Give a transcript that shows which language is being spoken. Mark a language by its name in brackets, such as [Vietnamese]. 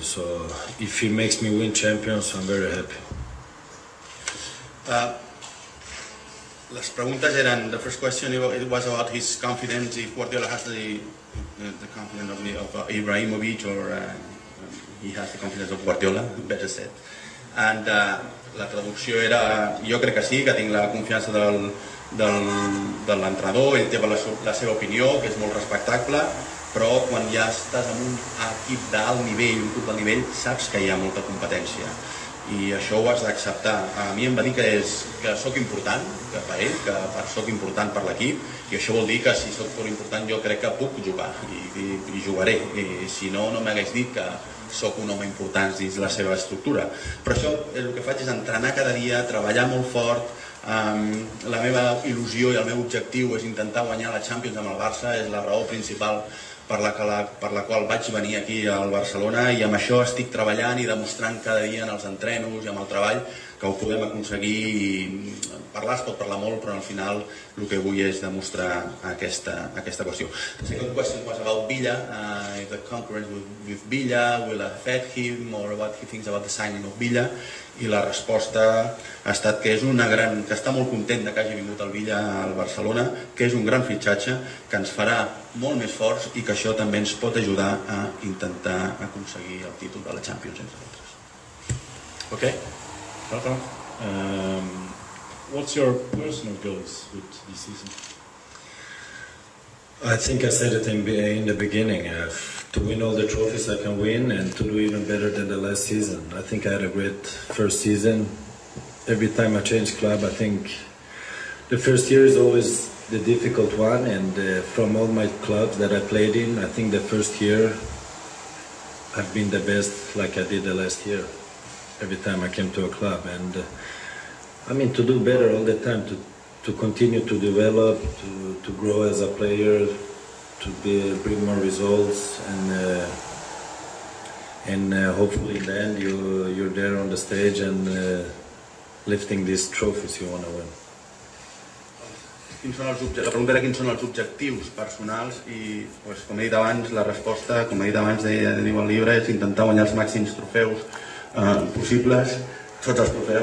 [English] So if he makes me win Champions, I'm very happy. [Spanish] Las preguntas eran, [English] the first question it was about his confidence, if Guardiola has the confidence of Ibrahimovic, or he has the confidence of Guardiola, better said. And [Catalan] la traducció era, jo crec que sí, que tinc la confiança de l'entrenador, ell té la seva opinió, que és molt respectable, però quan ja estàs en un equip d'alt nivell, un club de nivell, saps que hi ha molta competència. I això ho has d'acceptar. A mi em va dir que sóc important per ell, que sóc important per l'equip, i això vol dir que si sóc molt important jo crec que puc jugar, i jugaré. I si no, no m'hagués dit que sóc un home important dins la seva estructura. Però això el que faig és entrenar cada dia, treballar molt fort. La meva il·lusió i el meu objectiu és intentar guanyar la Champions amb el Barça, és la raó principal per la qual vaig venir aquí al Barcelona, i amb això estic treballant i demostrant cada dia en els entrenos i amb el treball que ho podem aconseguir. Parlar es pot parlar molt, però al final el que vull és demostrar aquesta qüestió. [English] The second question was about Villa, if the conference with Villa will affect him, or what he thinks about the signing of Villa. [Catalan] I la resposta ha estat que és una gran, que està molt content que hagi vingut el Villa al Barcelona, que és un gran fitxatge, que ens farà molt més forts, i que això també ens pot ajudar a intentar aconseguir el títol de la Champions, entre altres. Ok. [English] What's your personal goals with this season? I think I said it in the beginning. To win all the trophies I can win, and to do even better than the last season. I think I had a great first season. Every time I change club, I think the first year is always the difficult one. And from all my clubs that I played in, I think the first year I've been the best, like I did the last year. Every time I came to a club, and I mean, to do better all the time, to continue to develop, to grow as a player, to bring more results, and hopefully then you're there on the stage and lifting these trophies you want to win. [Catalan] Quins són els objectius? La pregunta era quins són els objectius personals, i pues, com he dit abans, la resposta, com he dit abans, de diu el llibre, és intentar guanyar els màxims trofeus possibles, tots els trofeus.